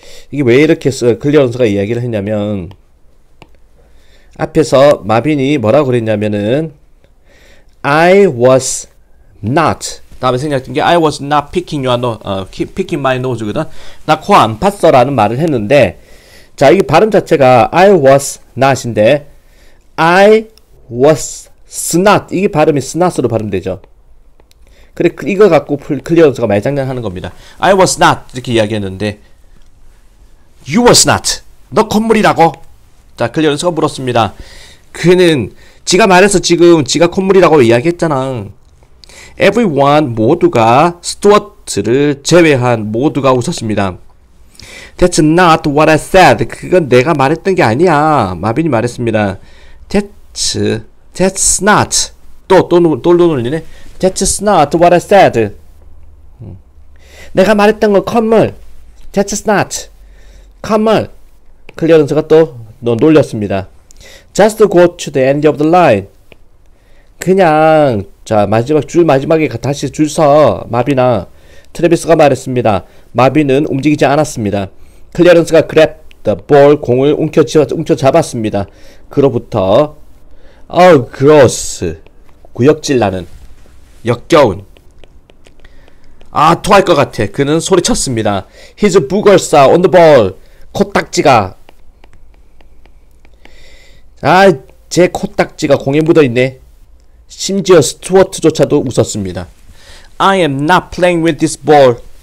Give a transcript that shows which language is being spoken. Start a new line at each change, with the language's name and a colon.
Korean: 이게 왜 이렇게 클리어런스가 이야기를 했냐면, 앞에서 마빈이 뭐라고 그랬냐면은,
English: I was not.
Korean: 다음에 생각했던 게,
English: I was not picking your nose, picking my nose거든.
Korean: 나코안 팠어 라는 말을 했는데, 자, 이게 발음 자체가
English: I was not인데, I was snot.
Korean: 이게 발음이 snot으로 발음되죠. 그래, 이거 갖고 클리어런스가 말장난하는 겁니다.
English: I was not
Korean: 이렇게 이야기했는데,
English: You was not.
Korean: 너 콧물이라고? 자, 클리어런스가 물었습니다. 그는 지가 말해서 지금 지가 콧물이라고 이야기했잖아. Everyone 모두가 스튜어트를 제외한 모두가 웃었습니다.
English: That's not what I said.
Korean: 그건 내가 말했던 게 아니야. 마빈이 말했습니다.
English: That's not.
Korean: 또 놀리네.
English: That's not what I said.
Korean: 내가 말했던 건 콧물.
English: That's not.
Korean: 콧물. 클리어런스가 또 놀렸습니다.
English: Just go to the end of the line.
Korean: 그냥 자 마지막 줄 마지막에 다시 줄서 마비나 트레비스가 말했습니다. 마비는 움직이지 않았습니다. 클리어런스가
English: grab the ball
Korean: 공을 움켜잡았습니다. 그로부터
English: Oh, gross.
Korean: 구역질 나는. 역겨운. 아, 토할 것 같아. 그는 소리쳤습니다.
English: His boogers are on the ball.
Korean: 코딱지가. 아, 제 코딱지가 공에 묻어있네. 심지어 스튜어트조차도 웃었습니다.
English: I am not playing with this ball.